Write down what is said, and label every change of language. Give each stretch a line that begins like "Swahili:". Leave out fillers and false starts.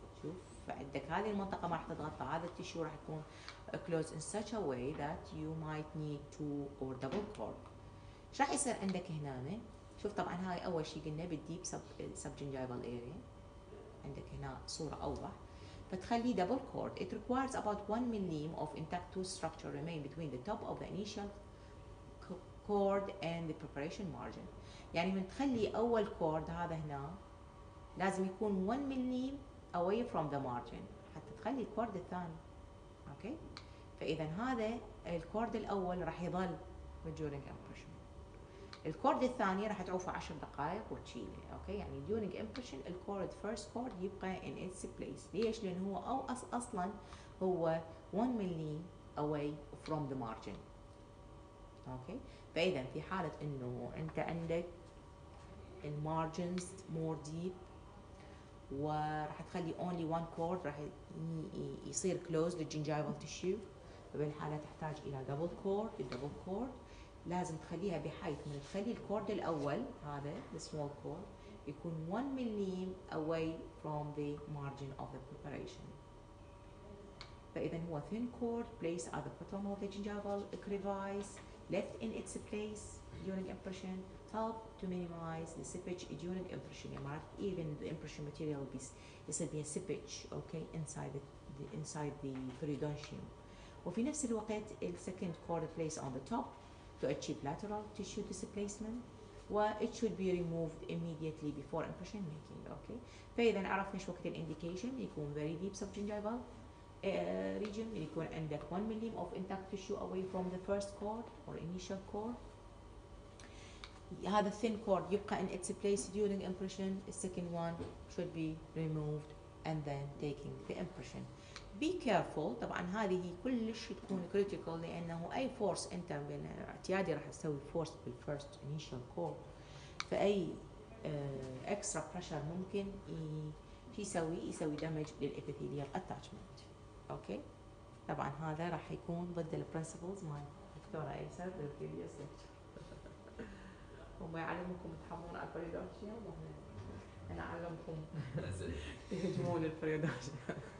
Arabic: شوف فعندك هذه المنطقة ما راح تتغطى هذا التيشو راح يكون
English: closed in such a way that you might need two or double cord.
Arabic: ايش راح يصير عندك هنا ما. شوف طبعا هاي اول شيء قلنا بالdeep subgingival area عندك هنا صورة اوضح فتخلي
English: double cord. It requires about 1 mm of intact tooth structure remain between the top of the initial cord and the preparation margin.
Arabic: يعني من تخلي أول cord هذا هنا لازم يكون
English: 1 mm away from the margin
Arabic: حتى تخلي cord الثاني. Okay. فإذا هذا cord الأول راح يظل
English: during impression.
Arabic: cord الثاني راح تعوفه 10 دقائق وتشيله. اوكي يعني
English: during impression the cord first cord
Arabic: يبقى
English: in its place.
Arabic: ليش؟ لان هو او اصلا هو 1 ملي away from the margin. اوكي فاذا في حاله انه انت عندك المارجنز
English: more deep
Arabic: وراح تخلي
English: only one cord
Arabic: راح يصير closed للجنجيفال تيشو بالحاله تحتاج الى double cord. الدبل كورد لازم تخليها بحيث من تخلي الكورد الاول هذا
English: the small cord
Arabic: يكون 1 مليم away from the margin of the preparation. فإذا هو
English: thin cord placed at the bottom of the gingival crevice left in its place during impression help to minimize the seepage during impression.
Arabic: يعني
English: even the impression material is a seepage okay inside the inside the periodontium.
Arabic: وفي نفس الوقت
English: ال second cord placed on the top to achieve lateral tissue displacement. It should be removed immediately before impression making. Okay.
Arabic: فإذا عرفنا شو وقت
English: الindication
Arabic: يكون
English: very deep subgingival region
Arabic: يكون عندك
English: 1 mm of intact tissue away from the first cord or initial cord.
Arabic: هذا
English: thin cord
Arabic: يبقى
English: in its place during impression. The second one should be removed and then taking the impression. Be careful.
Arabic: طبعا هذه كلش تكون critical لأنه أي force أنت اعتيادي راح تسوي force بال
English: first initial cord.
Arabic: فأي
English: extra pressure
Arabic: ممكن يسوي damage للepithelial attachment.
English: Okay.
Arabic: طبعا هذا راح يكون ضد
English: the principles
Arabic: ما دكتورة أيسر بال
English: previous lecture.
Arabic: هم يعلمكم تحمون البريدوشيا وهم أنا أعلمكم تهجمون البريدوشيا.